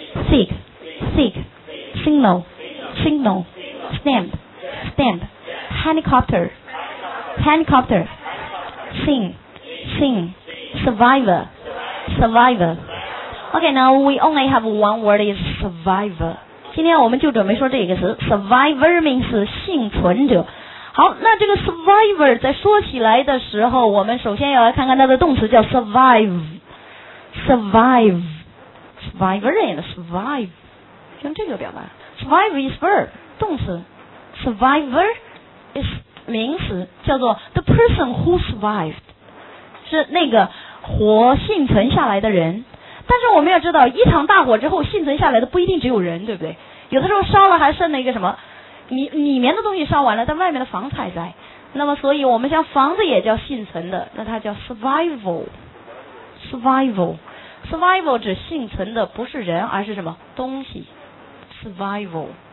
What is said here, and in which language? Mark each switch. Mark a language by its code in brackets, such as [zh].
[en] Seek. Seek. Signal. Signal. Stamp. Stamp. Helicopter. Helicopter. Sing. Sing. Survivor. Survivor. Okay, now we only have one word is survivor. [zh] 今天我们就准备说这个词 [en] Survivor means [zh] 幸存者。好，那这个 survivor 在说起来的时候，我们首先要来看看它的动词叫 survive， survive， [en] survivor and survive， [zh] 用这个表达。 [en] Survive is verb [zh] 动词， [en] survivor is [zh] 名词，叫做 [en] the person who survived， [zh] 是那个活幸存下来的人。但是我们要知道，一场大火之后幸存下来的不一定只有人，对不对？有的时候烧了还剩了一个什么？里面的东西烧完了，但外面的房子还在。那么，所以我们像房子也叫幸存的，那它叫 survival， survival， survival 指幸存的不是人，而是什么东西？survival。